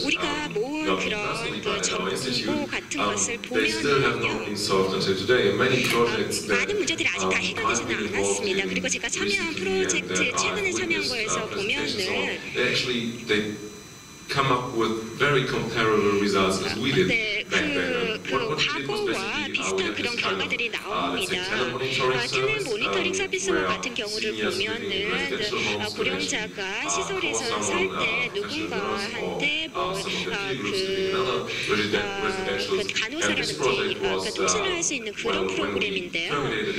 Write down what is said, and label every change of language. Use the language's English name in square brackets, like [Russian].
[Korean] 우리가 모은 그런 그 정보 공모 같은 것을 보면요. 많은 문제들이 아직 다 해결이 되지 않았습니다. 그리고 제가 참여한 프로젝트 최근에 참여한 거에서 보면은 [English] come up with very comparable results as we did. [Korean] 네, 그 과거와 비슷한 그런 결과들이 나옵니다. 텔레 모니터링 서비스와 같은 경우를 보면은 고령자가 시설에서 살 때 누군가한테 간호사라든지 통신을 할 수 있는 그런 프로그램인데요.